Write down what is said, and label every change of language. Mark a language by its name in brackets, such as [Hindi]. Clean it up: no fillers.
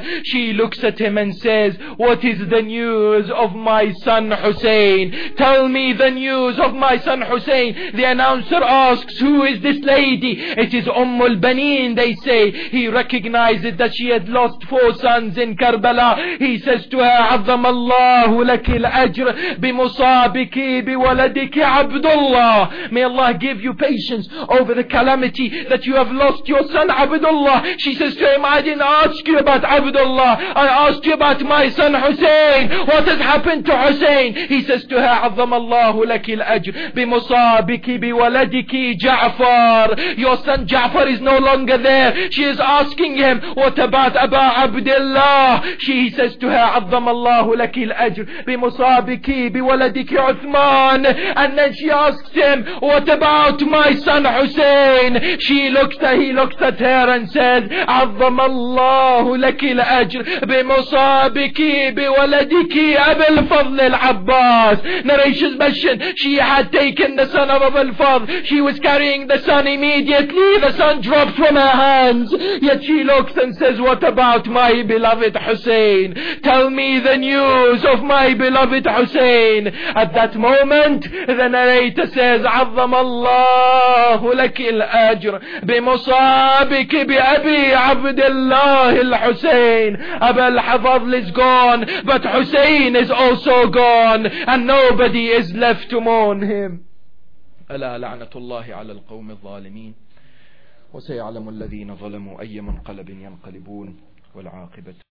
[English] She looks at him and says, what is the news of my son Hussein? Tell me the news of my son Hussein. The announcer asks, who is this lady? It is Umm al-Baneen, they say. He recognizes that she had lost four sons in Karbala. He says to her, [Arabic] عظم الله لك الأجر بمصابك بولدك عبد الله. [English] May Allah give you patience over the calamity that you have lost your son Abdullah. She says to him, I didn't ask you about Abdullah. I asked you about my son Hussein. What has happened to Hussein? He says to her, [Arabic] عظم الله لك الأجر بمصابك بولدك جعفر. [English] Your son Jafar is no longer there. She is asking him, what about Aba Abdullah? He says to her, [Arabic] عظم الله لك الأجر بمصابك بولدك عثمان. [English] And then she asks him, what about my son Hussein? He looks at her and says, [Arabic] عظم الله لك الأجر بمصابك بولدك أبي الفضل العباس. [English] Narration's mention, she had taken the son of Abu al-Fadl. She was carrying the son immediately. The son dropped from her hands. Yet she looks and says, what about my beloved Hussein? Tell me the news of my beloved Hussein. At that moment, the narrator says, [Arabic] عظم الله لك الأجر بمصابك بأبي عبد الله الحسين. [English] أبي الفضل is gone, but Hussein is also gone, and nobody is left to mourn him. [Arabic] ألا لعنة الله على القوم الظالمين وسيعلم الذين ظلموا أي منقلب ينقلبون والعاقبة